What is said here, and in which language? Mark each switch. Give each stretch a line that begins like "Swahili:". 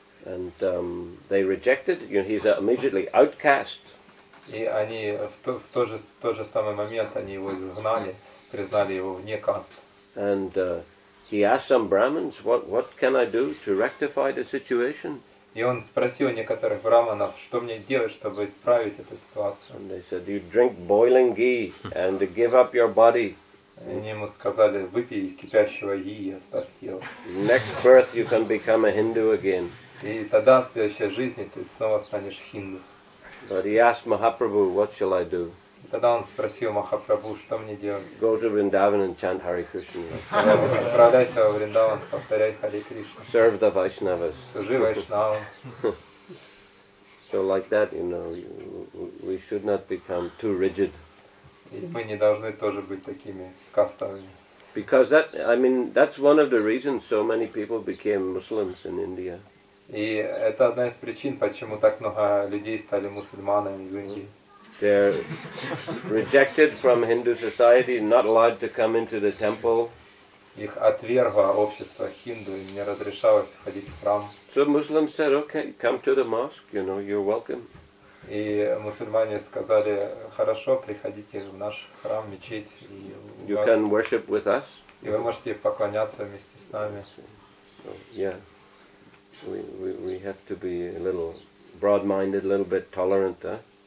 English: And they rejected, you know, he's immediately outcast.
Russian: И они в тот же самый момент они его изгнали, признали его вне касты.
English: And he asked some brahmins, what can I do to rectify the situation?
Russian: И он спросил некоторых брахманов, что мне делать, чтобы исправить эту ситуацию.
English: And they said, you drink boiling ghee and give up your body.
Russian: Они ему сказали, выпей кипящего ги и оставь тело.
English: Next birth you can become a Hindu again.
Russian: И тогда в следующей жизни ты снова станешь хинду.
English: But he asked Mahaprabhu, what shall I do?
Russian: Тогда он спросил Махапрабху, что мне делать?
English: Go to Vrindavan and chant Hare Krishna.
Russian: Отправляйся во Вриндаван, повторяй Hare Krishna.
English: Serve the Vaishnavas.
Russian: Служи Вайшнавам.
English: So like that, you know, we should not become too rigid.
Russian: И мы не должны тоже быть такими кастовыми.
English: Because that's one of the reasons so many people became Muslims in India.
Russian: И это одна из причин, почему так много людей стали мусульманами в Индии.
English: They're rejected from Hindu society, not allowed to come into the temple.
Russian: Их отвергло общество хинду и не разрешалось ходить в храм.
English: So Muslims said, okay, come to the mosque, you know, you're welcome.
Russian: И мусульмане сказали, хорошо, приходите в наш храм, мечеть. И
English: you can worship with us.
Russian: И вы можете поклоняться вместе с нами.
English: So, yeah, we have to be a little broad-minded, a little bit tolerant, huh?